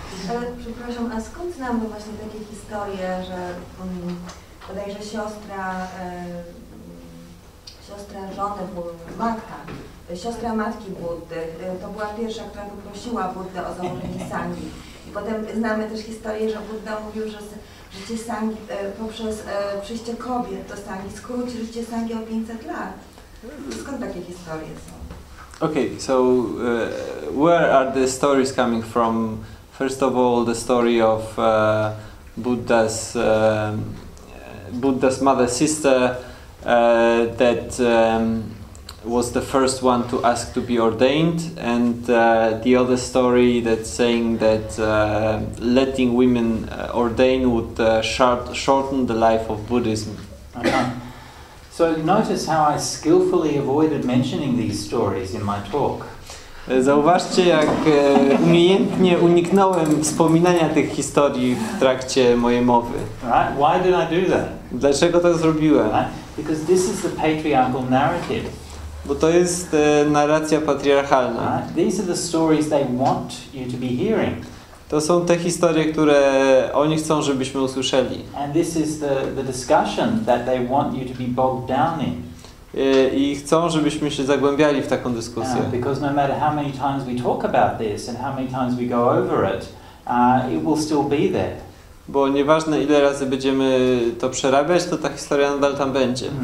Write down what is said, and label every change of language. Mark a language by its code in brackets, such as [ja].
[pl] Ale przepraszam, a skąd nam właśnie takie historie, że bodajże siostra matki Buddy, to była pierwsza, która poprosiła Buddę o założenie sangi. I potem znamy też historię, że Buddha mówił, że życie sangi poprzez przyjście kobiet do sangi skróci życie sangi o 500 lat. Skąd takie historie są? [en] Okay, so where are the stories coming from? First of all, the story of Buddha's mother sister was the first one to ask to be ordained, and the other story that's saying that letting women ordain would shorten the life of Buddhism. So notice how I skillfully avoided mentioning these stories in my talk. [pl] Zauważcie, jak umiejętnie uniknąłem wspominania tych historii w trakcie mojej mowy. [en] Right? Why did I do that? [pl] Dlaczego tak zrobiłem? [en] Right? Because this is the patriarchal narrative. [pl] Bo to jest narracja patriarchalna. [en] Right? These are the stories they want you to be hearing. [pl] To są te historie, które oni chcą, żebyśmy usłyszeli. [en] And this is the discussion that they want you to be bogged down in. [pl] I chcą, żebyśmy się zagłębiali w taką dyskusję. [en] Because no matter how many times we talk about this and how many times we go over it, it will still be there. [pl] Bo nieważne ile razy będziemy to przerabiać, to ta historia nadal tam będzie.